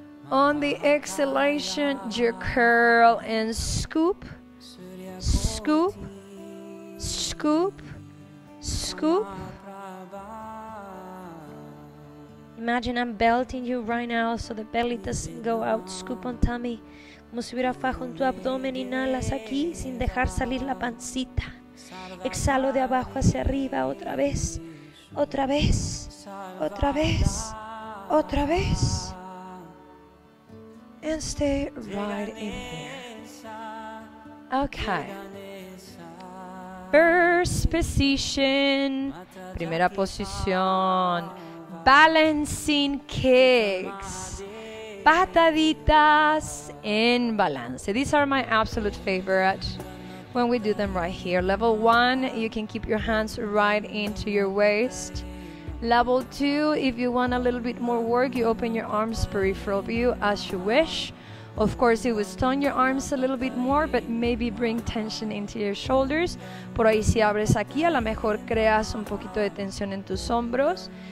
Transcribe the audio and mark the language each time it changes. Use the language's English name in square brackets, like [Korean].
[English] On the exhalation, your curl and scoop, scoop, scoop, scoop. Imagine I'm belting you right now so the belly doesn't go out. Scoop on tummy. [Spanish] Como si hubiera fajo en tu abdomen, inhalas aquí sin dejar salir la pancita. Exhalo de abajo hacia arriba, otra vez, otra vez, otra vez, otra vez. [English] And stay right in here. Okay. First position. [Spanish] Primera posición. [English] Balancing kicks. [Spanish] Pataditas en balance. [English] These are my absolute favorite. When we do them right here. Level one, you can keep your hands right into your waist. Level two, if you want a little bit more work, you open your arms peripheral view as you wish. Of course, it will stone your arms a little bit more, but maybe bring tension into your shoulders. [Spanish] Por ahí si abres aquí, a lo mejor creas un poquito de tensión en tus hombros.